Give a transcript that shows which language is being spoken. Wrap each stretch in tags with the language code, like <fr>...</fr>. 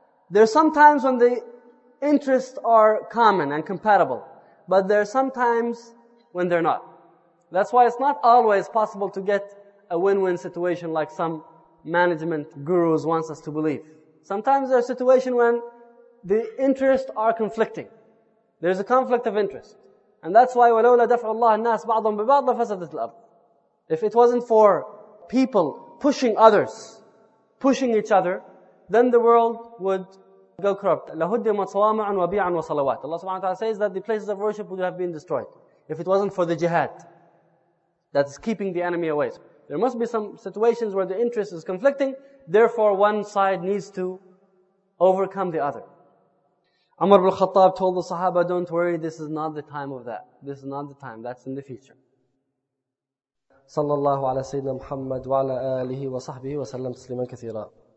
<en>There are some times when the interests are common and compatible, but there are some times when they're not. That's why it's not always possible to get a win-win situation like some management gurus wants us to believe. Sometimes there's a situation when the interests are conflicting. There's a conflict of interest. And that's why,</en> <ar>وَلَوْلَا دَفْعُ اللَّهَ النَّاسَ بَعْضًا بِبَعْضًا لَفَسَدَتِ الْأَرْضِ.</ar> <en>If it wasn't for people pushing others, pushing each other, then the world would go corrupt.</en> <ar>لَهُدِّمَتْ صَوَامِعٌ وَبِيعٌ وَصَلَوَاتٌ.</ar> <en>Allah subhanahu wa ta'ala says that the places of worship would have been destroyed if it wasn't for the jihad that is keeping the enemy away. So there must be some situations where the interest is conflicting, therefore one side needs to overcome the other. Umar ibn Khattab told the Sahaba, don't worry, this is not the time of that. This is not the time, that's in the future.</en> <ar>صلى الله على سيدنا محمد وعلى آله وصحبه وسلم تسليما كثيرا</ar>